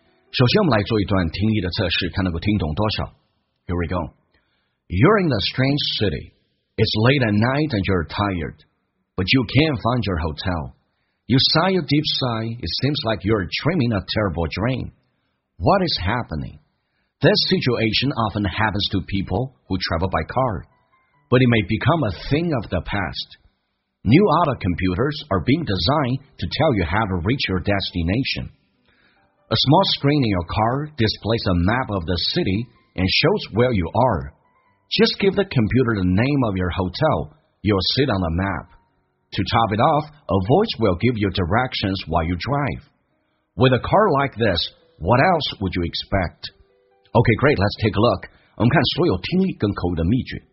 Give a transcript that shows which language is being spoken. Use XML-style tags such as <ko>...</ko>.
<zh>首先我们来做一段听力的测试，看能够听懂多少。</zh> <en>Here we go. You're in a strange city. It's late at night and you're tired, but you can't find your hotel. You sigh a deep sigh. It seems like you're dreaming a terrible dream. What is happening? This situation often happens to people who travel by car, but it may become a thing of the past. New auto computers are being designed to tell you how to reach your destination. A small screen in your car displays a map of the city and shows where you are. Just give the computer the name of your hotel, you'll see it on the map. To top it off, a voice will give you directions while you drive. With a car like this, what else would you expect? Okay, great, let's take a look.</en> <zh>我们看所有听力跟口语的秘诀。</zh>